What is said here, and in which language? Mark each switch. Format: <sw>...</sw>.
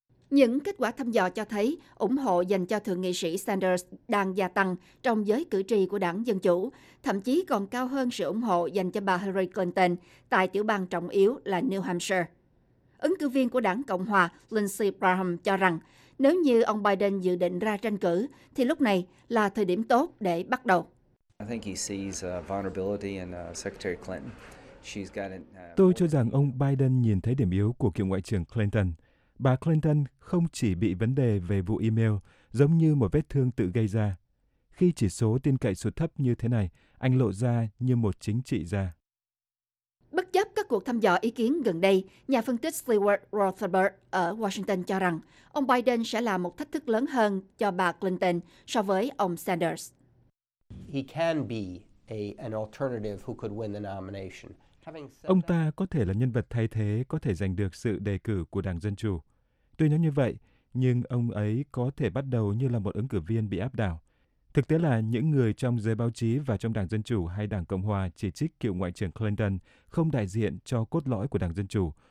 <vi>Những kết quả thăm dò cho thấy ủng hộ dành cho Thượng nghị sĩ Sanders đang gia tăng trong giới cử tri của Đảng Dân Chủ, thậm chí còn cao hơn sự ủng hộ dành cho bà Hillary Clinton tại tiểu bang trọng yếu là New Hampshire. Ứng cử viên của Đảng Cộng Hòa Lindsey Graham cho rằng nếu như ông Biden dự định ra tranh cử thì lúc này là thời điểm tốt để bắt đầu.</vi> <en>I think he sees vulnerability in Secretary Clinton. She's got an.</en> <vi>Tôi cho rằng ông Biden nhìn thấy điểm yếu của cựu ngoại trưởng Clinton. Bà Clinton không chỉ bị vấn đề về vụ email, giống như một vết thương tự gây ra. Khi chỉ số tin cậy sụt thấp như thế này, anh lộ ra như một chính trị gia. Bất chấp các cuộc thăm dò ý kiến gần đây, nhà phân tích Stewart Rothenberg ở Washington cho rằng ông Biden sẽ là một thách thức lớn hơn cho bà Clinton so với ông Sanders.</vi> <en>He can be an alternative who could win the nomination.</en> <vi>Ông ta có thể là nhân vật thay thế có thể giành được sự đề cử của Đảng Dân Chủ. Tuy nói như vậy, nhưng ông ấy có thể bắt đầu như là một ứng cử viên bị áp đảo. Thực tế là những người trong giới báo chí và trong Đảng Dân Chủ hay Đảng Cộng Hòa chỉ trích cựu Ngoại trưởng Clinton không đại diện cho cốt lõi của Đảng Dân Chủ.</vi>